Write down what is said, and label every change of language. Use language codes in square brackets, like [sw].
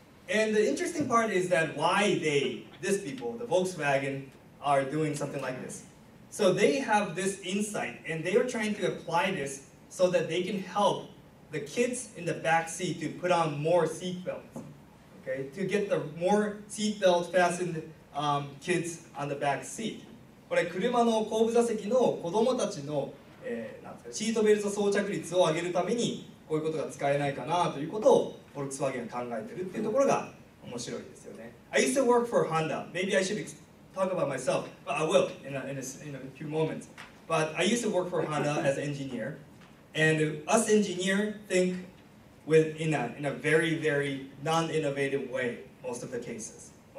[en] And the interesting part is that why they, these people, the Volkswagen, are doing something like this. So they have this insight, and they are trying to apply this so that they can help the kids in the back seat to put on more seatbelts, okay? To get the more seatbelt fastened kids on the back seat. [ja] これ車の後部座席の子供たちの、シートベルト装着率を上げるためにこういうことが使えないかなということをフォルクスワーゲン考えてるっていうところが面白いですよね。 [en] I used to work for Honda. Maybe I should talk about myself, but I will in a few moments. But I used to work for Honda as an engineer. And us engineers think in a very, very non-innovative way, most of the cases.